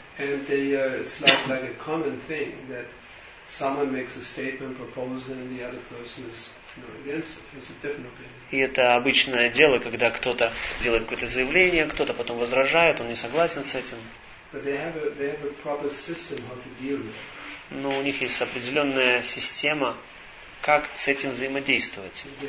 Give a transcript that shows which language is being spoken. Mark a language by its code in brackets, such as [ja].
[en] And they, it's like a common thing that someone makes a statement, proposal, and the other person is, you know, against it. It's a different opinion. [ru] И это обычное дело, когда кто-то делает какое-то заявление, кто-то потом возражает, он не согласен с этим. [en] But they have a proper system how to deal with it. [ru] Но у них есть определенная система, как с этим взаимодействовать.